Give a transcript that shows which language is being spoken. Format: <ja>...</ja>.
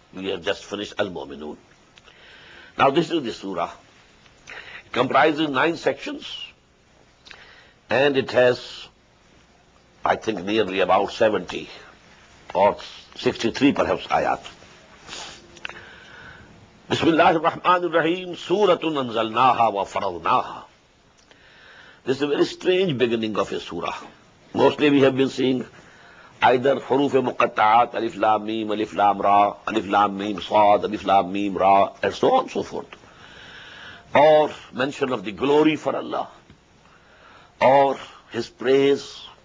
<en>We have just finished Al-Mu'minun. Now this is the surah. It comprises 9 sections. And it has, I think, nearly about 70 or 63 perhaps ayat.</en> <ar>بسم الله الرحمن الرحيم سورة أنزلناها وفرضناها.</ar> <en>This is a very strange beginning of a surah. Mostly we have been seeing either</en> <ar>حروف مقطعات ألف لام ميم ألف لام را ألف لام ميم صاد ألف لام ميم را</ar> <en>and so on and so forth. Or mention of the glory for Allah. Or His praise.</en>